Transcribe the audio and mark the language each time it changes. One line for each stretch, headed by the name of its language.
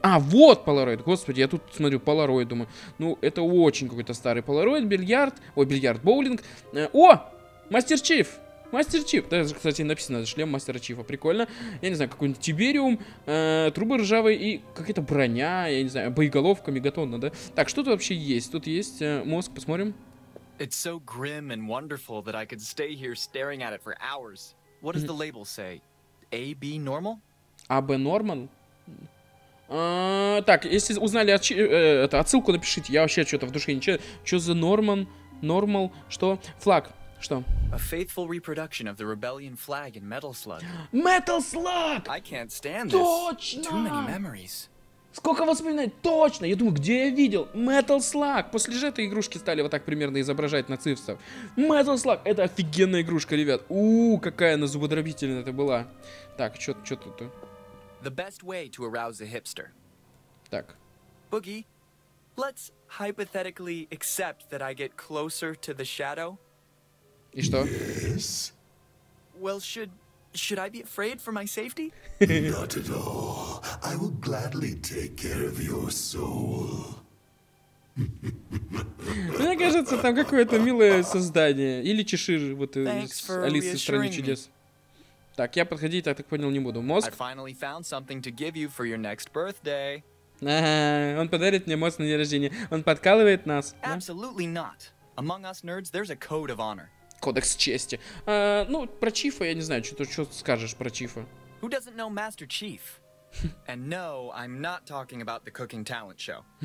Russian: А, вот полароид, господи, я тут смотрю, полароид, думаю. Ну, это очень какой-то старый полароид, боулинг. О, мастер чиф! Мастер Чиф. Да, кстати, написано, шлем Мастера Чифа. Прикольно. Я не знаю, какой-нибудь тибериум, трубы ржавые и какая-то броня, я не знаю, боеголовка, мегатонна, да? Так, что тут вообще есть? Тут есть мозг, посмотрим.
English: It's so grim and wonderful that I could stay here staring at it for hours. What does the label say? A, B, normal? A, B, normal?
Russian: Так, если узнали отсылку, напишите. Я вообще что-то в душе не читаю. Что за Норман? Нормал? Что? Флаг. Что?
English: A faithful reproduction of the rebellion flag in Metal Slug. Metal Slug! I can't stand this.
Russian: Точно!
English: Too many memories.
Russian: Сколько воспоминаний? Точно! Я думаю, где я видел? Metal Slug! После же этой игрушки стали вот так примерно изображать нацистов. Metal Slug! Это офигенная игрушка, ребят. Ууу, какая она зубодробительная это была. Так, чё тут?
English: The best way to arouse a hipster. Так. Boogie, let's hypothetically accept that I get closer to the shadow.
Russian: И что? Yes.
English: Well, should I be afraid for my safety? Not at all. I will gladly take care of your soul.
Russian: Мне кажется, там какое-то милое создание. Или Чешир, вот из Алисы в Стране Чудес. Так, я подходить, так понял, не буду. Мозг?
English: I finally found something to give you for your next birthday.
Russian: Он подарит мне мозг на день рождения. Он подкалывает нас.
English: Absolutely not. Among us nerds, there's a code of honor.
Russian: Кодекс чести. Ну, про Чифа я не знаю, что ты скажешь про Чифа.
English: Who doesn't know Master Chief? And no, I'm not talking about the cooking talent show.